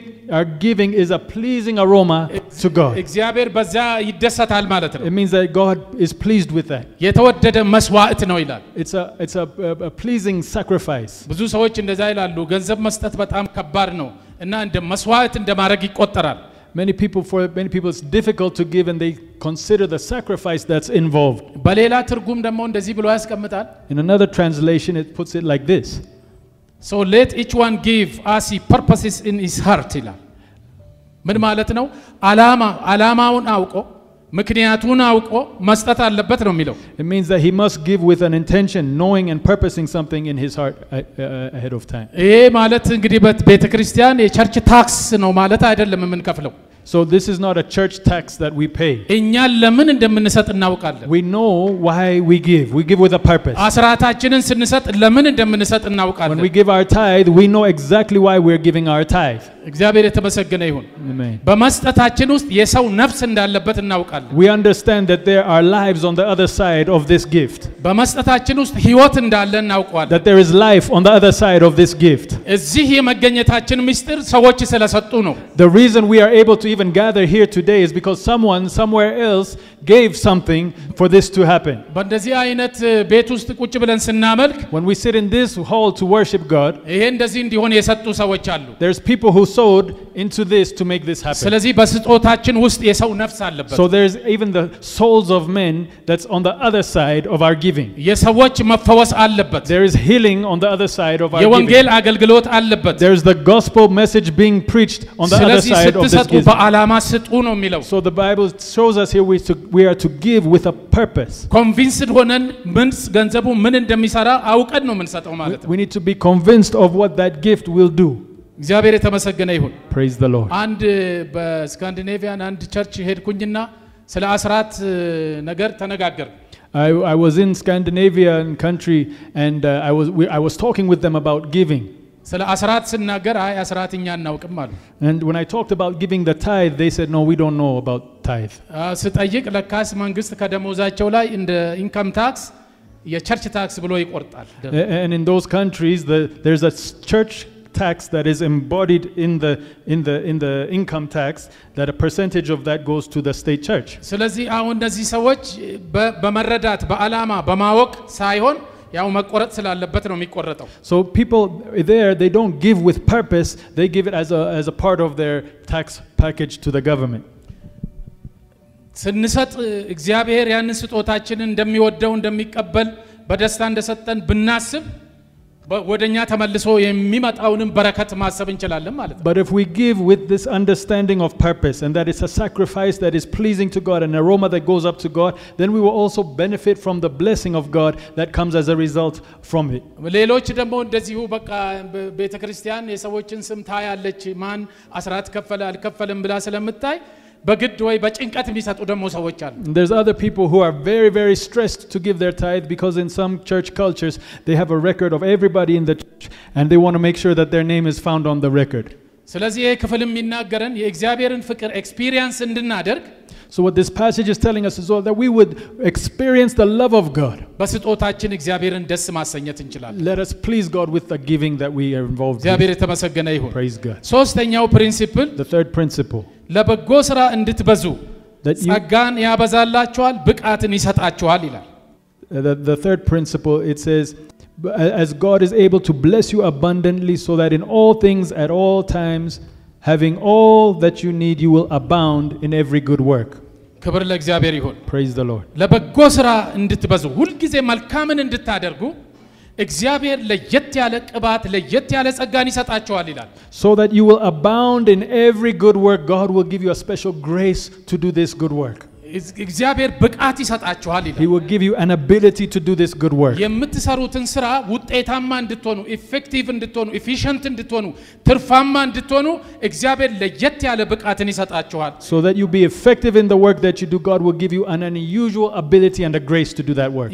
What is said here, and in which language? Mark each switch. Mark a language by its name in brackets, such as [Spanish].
[English] Our giving is a pleasing aroma to God. [Amharic] እግዚአብሔር በዛ ይደሰታል ማለት ነው. [English] It means that God is pleased with that. [Amharic] የተወደደ መስዋዕት ነው ይላል. [English] It's a pleasing sacrifice. [Amharic] ብዙ ሰዎች እንደዛ ይላሉ ገንዘብ መስጠት በጣም ከባድ ነው እና እንደ መስዋዕት እንደማረግ ይቆጠራል. [English] Many people it's difficult to give and they consider the sacrifice that's involved. [Amharic] በሌላ ትርጉም ደግሞ እንደዚህ ብሎ ያስቀምጣል. [English] In another translation it puts it like this. So let each one give as he purposes in his heart. [Amharic] ምን ማለት ነው? አላማውን አውቆ ምክንያቱን አውቆ መስጠት አለበት ነው የሚለው. [English] It means that he must give with an intention, knowing and purposing something in his heart ahead of time. [Amharic] ይሄ ማለት እንግዲህ ቤተክርስቲያን የቸርች ታክስ ነው ማለት አይደለም የምንከፍለው. [English] So this is not a church tax that we pay. [Amharic] እኛ ለምን እንደምንሰጥ እናውቃለን. [English] We know why we give. We give with a purpose. [Amharic] አስራታችንን ስንሰጥ ለምን እንደምንሰጥ እናውቃለን. [English] When we give our tithe, we know exactly why we're giving our tithe. [Amharic] እግዚአብሔር የተመሰገነ ይሁን በመስጠታችን ውስጥ የሰው ነፍስ እንዳለበት እናውቃለን [English] we understand that there are lives on the other side of this gift [Amharic] በመስጠታችን ውስጥ ህይወት እንዳለን እናውቃለን [English] that there is life on the other side of this gift [Amharic] እዚህ የመገኘታችን ምስጢር ሰዎች ስለሰጡ ነው [English] the reason we are able to even gather here today is because someone somewhere else gave something for this to happen [Amharic] በእንደዚህ አይነት ቤት ውስጥ ቁጭ ብለን ስናመልክ [English] when we sit in this hall to worship god [Amharic] ይሄን እንደዚህ እንዲሆን የሰጡ ሰዎች አሉ [English] there's people who sowed into this to make this happen. [Amharic] ስለዚህ በስጦታችን ውስጥ የሰው ነፍስ አለበት. [English] So there's even the souls of men that's on the other side of our giving. [Amharic] የሰዎች መፈወስ አለበት. [English] There is healing on the other side of our giving. [Amharic] የወንጌል አገልግሎት አለበት. [English] There's the gospel message being preached on the other side of this giving. [Amharic] ስለዚህ ስትሰጡ በዓላማ ስጡ ነው የሚለው. [English] So the Bible shows us here we are to give with a purpose. [Amharic] convinced ሆነን ምን ገንዘቡ ምን እንደሚሰራ አውቀን ነው የምንሰጠው ማለት ነው. [English] We need to be convinced of what that gift will do. [Amharic] እግዚአብሔር ተመሰገነ ይሁን [English] praise the lord [Amharic] አንድ በስካንዲኔቪያን አንድ ቸርች ሄድኩኝና ስለ አስራት ነገር ተነጋገር [English] I was in Scandinavian country and I was talking with them about giving [Amharic] ስለ አስራት ስናገር አይ አስራትኛ እናውቅም አሉ [English] and when I talked about giving the tithe they said no we don't know about tithe [Amharic] ስጠይቅ ለካስ መንግስት ከደሞዛቸው ላይ እንደ ኢንካም ታክስ የቸርች ታክስ ብሎ ይቆርጣል [English] and in those countries there's a church tax that is embodied in the income tax that a percentage of that goes to the state church [Amharic] ስለዚህ አሁን እነዚህ ሰዎች በመረዳት በአላማ በማወቅ ሳይሆን ያው መቆረጥ ስላለበት ነው የሚቆረጠው [English] so people there they don't give with purpose they give it as a part of their tax package to the government [Amharic] ስንሰጥ እግዚአብሔር ያንን ስጦታችንን እንደሚወደው እንደሚቀበል በደስታ እንደሰጠን ብናስብ ወደኛ ተመልሶ የሚመጣውንም በረከት ማሰብ እንችላለን ማለት ነው [English] but if we give with this understanding of purpose and that it's a sacrifice that is pleasing to god an aroma that goes up to god then we will also benefit from the blessing of god that comes as a result from it [Amharic] ሌሎች ደግሞ እንደዚሁ በቃ ቤተክርስቲያን የሰዎችን ስም ታያለች ማን አስራት ከፈለ አልከፈለም ብላ ስለምታይ በግድ ወይ በጭንቀት የሚሰጡ ደሞ ሰዎች አሉ [English] There's other people who are very very stressed to give their tithe because in some church cultures they have a record of everybody in the church and they want to make sure that their name is found on the record [Amharic] ስለዚህ ይሄ ክፍልም ይናገረን የእግዚአብሔርን ፍቅር experience እንድናደርግ [English] So what this passage is telling us is all that we would experience the love of God. [Amharic] በስጦታችን እግዚአብሔርን ደስ ማሰኘት እንችላለን. [English] Let us please God with the giving that we are involved in. [Amharic] እግዚአብሔር የተመሰገነ ይሁን. [English] Praise God. [Amharic] ሶስተኛው principle. [English] The third principle. [Amharic] ለበጎ ስራ እንድትበዙ ጸጋን ያበዛላችኋል ብቃትን ይሰጣችኋል ይላል. [English] The third principle it says as God is able to bless you abundantly so that in all things at all times having all that you need you will abound in every good work [Amharic] ክብር ለእግዚአብሔር ይሁን [English] praise the lord [Amharic] ለበጎ ስራ እንድትበዙ ሁልጊዜ መልካምን እንድታደርጉ እግዚአብሔር ለየት ያለ ቅባት ለየት ያለ ጸጋን ይሰጣችኋል ይላል [English] so that you will abound in every good work god will give you a special grace to do this good work [Amharic] እግዚአብሔር ብቃት ይሰጣችኋል ይላል [English] he will give you an ability to do this good work [Amharic] የምትሰሩትን ስራ ውጤታማ እንድትሆኑ effective እንድትሆኑ efficient እንድትሆኑ ትርፋማ እንድትሆኑ እግዚአብሔር ለየት ያለ ብቃትን ይሰጣችኋል [English] so that you be effective in the work that you do god will give you an unusual ability and a grace to do that work